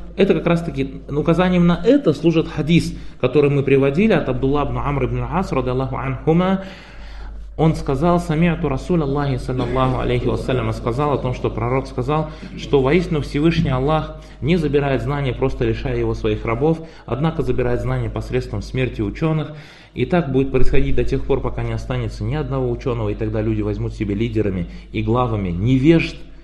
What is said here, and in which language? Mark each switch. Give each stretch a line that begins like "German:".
Russian: Это как раз таки указанием на это служит хадис, который мы приводили от Абдулла ибн Амр ибн Ас,
Arabic: رضي الله عنهما.
Russian: Он сказал,
Arabic: سَمِعْتُ رَسُولَ اللَّهِ صَلَّى اللَّهُ عَلَيْهِ وَسَلَّمَ.
Russian: Сказал о том, что пророк сказал, что воистину Всевышний Аллах не забирает знания, просто лишая его своих рабов, однако забирает знания посредством смерти ученых. И так будет происходить до тех пор, пока не останется ни одного ученого, и тогда люди возьмут себе лидерами и главами невежд.